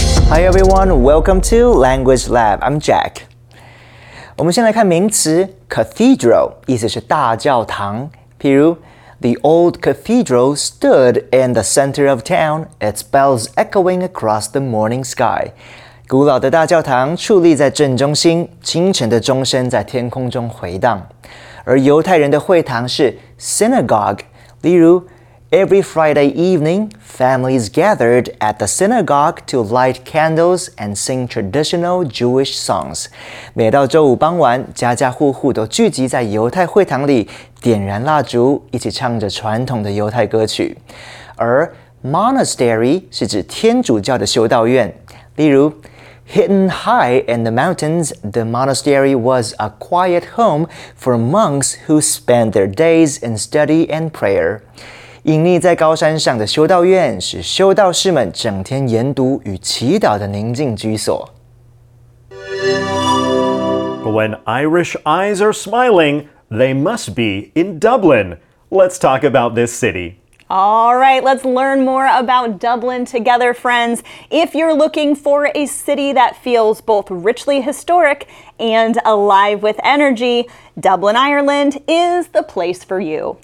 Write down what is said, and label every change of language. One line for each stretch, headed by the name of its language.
English: Hi everyone, welcome to Language Lab. I'm Jack.
Chinese: 我们先来看名词 cathedral, 意思是大教堂。
English: 譬如 The old cathedral stood in the center of town, its bells echoing across the morning sky.
Chinese: 古老的大教堂矗立在正中心，清晨的钟声在天空中回荡。而犹太人的会堂是
English: synagogue, 例如 Every Friday evening, families gathered at the synagogue to light candles and sing traditional Jewish songs.
Chinese: 每到周五傍晚，家家户户都聚集在犹太会堂里，点燃蜡烛，一起唱着传统的犹太歌曲。而 monastery 是指天主教的修道院。
English: 例如 ,hidden high in the mountains, the monastery was a quiet home for monks who spent their days in study and prayer.
Chinese: 隐匿在高山上的修道院是修道士们整天研读与祈祷的宁静居所。
English: When Irish eyes are smiling, they must be in Dublin. Let's talk about this city. All right, let's learn more about Dublin together, friends. If you're looking for a city that feels both richly historic and alive with energy, Dublin, Ireland is the place for you.